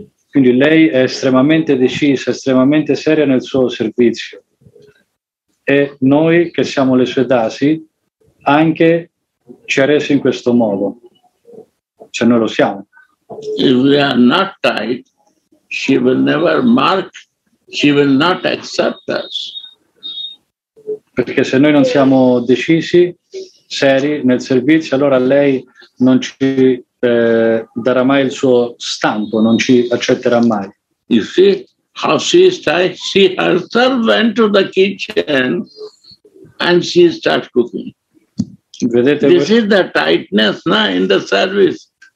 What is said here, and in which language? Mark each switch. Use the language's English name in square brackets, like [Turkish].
[Italian] Quindi lei è estremamente decisa, estremamente seria nel suo servizio. E noi che siamo le sue dasi, anche ci ha reso in questo modo. Cioè noi lo siamo. [English] If we are not tight, she will never mark, she will not accept us. [Italian] Perché se noi non siamo decisi, seri nel servizio, allora lei non ci darà mai il suo stampo, non ci accetterà mai. [English] You see how she starts? She herself went to the kitchen and she starts cooking. [Italian] Vedete? [English] This is the tightness now in the service.